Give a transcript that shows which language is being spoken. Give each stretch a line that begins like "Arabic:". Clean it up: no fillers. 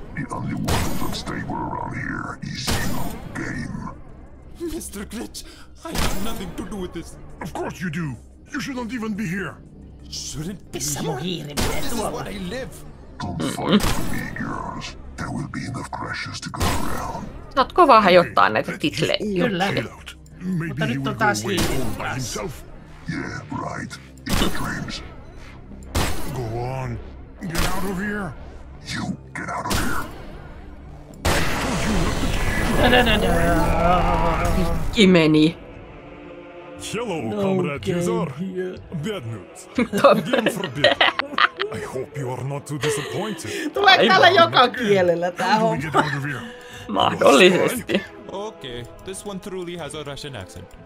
English: The only one who can stay around here is you, game. Mr. Glitch, I have nothing to do with this. Of course you do. You shouldn't even be here. Shouldn't be here. This is where I live. Don't fight for me, girls. There will be enough crashes to go around.
Finnish: Not kova hajottaa näitä titlejä. Kyllä. Mutta nyt on taas hiirin.
English: Yeah, right. In your dreams. Go on. Get out of here. You get out of here. Don't you have to keep it? Hello, no comrade user. Here. Bad news. Again forbid. I hope you are not too disappointed.
Finnish: Tulee täällä joka kielellä tää homma. Mahdollisesti.
English: Okay, this one truly has a Russian accent.